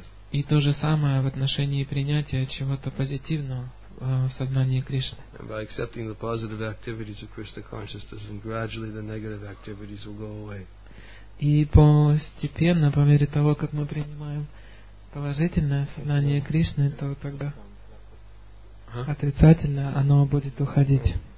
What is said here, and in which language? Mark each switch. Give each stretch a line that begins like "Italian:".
Russian: И то же самое в отношении принятия чего-то позитивного в сознании Кришны.
English: And by accepting the positive activities of Krishna consciousness, then gradually the negative activities will go away.
Russian: И постепенно, по мере того, как мы принимаем положительное сознание Кришны, то тогда отрицательное, оно будет уходить.